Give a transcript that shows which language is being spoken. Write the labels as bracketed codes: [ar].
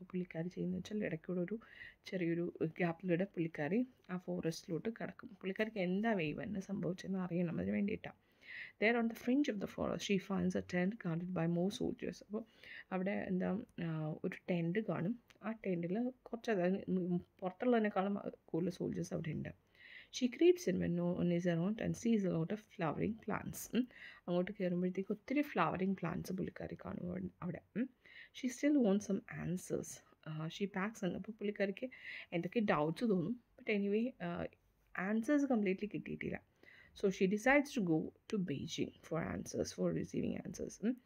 [ml] അപ്പോൾ പുള്ളിക്കാരി ചെയ്യുന്നത് വെച്ചാൽ ഇടയ്ക്കൂടെ ഒരു ചെറിയൊരു ഗ്യാപ്പിലൂടെ പുള്ളിക്കാരി ആ ഫോറസ്റ്റിലോട്ട് കടക്കും. പുള്ളിക്കാർക്ക് എന്താ വേവെന്ന് സംഭവിച്ചെന്ന് അറിയണം, അതിന് വേണ്ടിയിട്ടാണ്. [en] There on the fringe of the forest, she finds a tent guarded by more soldiers. [ml] അപ്പോൾ അവിടെ എന്താ ഒരു ടെൻറ്റ് കാണും. ആ ടെൻറ്റിൽ കുറച്ച് പുറത്തുള്ളതിനേക്കാളും കൂടുതൽ സോൾജേഴ്സ് അവിടെ ഉണ്ട്. [en] She creeps in when no one's around and sees a lot of flowering plants. [ml] അങ്ങോട്ട് കയറുമ്പോഴത്തേക്ക് ഒത്തിരി ഫ്ലവറിംഗ് പ്ലാന്റ്സ് പുള്ളിക്കാരി കാണും അവിടെ. [en] She still want some answers. She packs [ml] എന്ന് അപ്പോൾ പുള്ളിക്കാരിക്ക് എന്തൊക്കെ ഡൗട്ട്സ് തോന്നും, ബട്ട് എനിവേ ആൻസേഴ്സ് കംപ്ലീറ്റ്ലി കിട്ടിയിട്ടില്ല. [en] So she decides to go to Beijing for answers, for receiving answers.